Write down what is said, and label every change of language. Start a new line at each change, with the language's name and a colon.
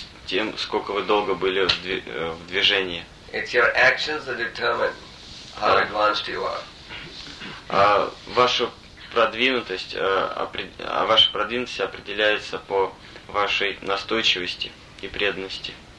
Russian: тем, сколько вы долго были в движении.
English: It's your actions that determine how advanced you are.
Russian: Ваша продвинутость, ваша продвинутость определяется по вашей настойчивости и преданности.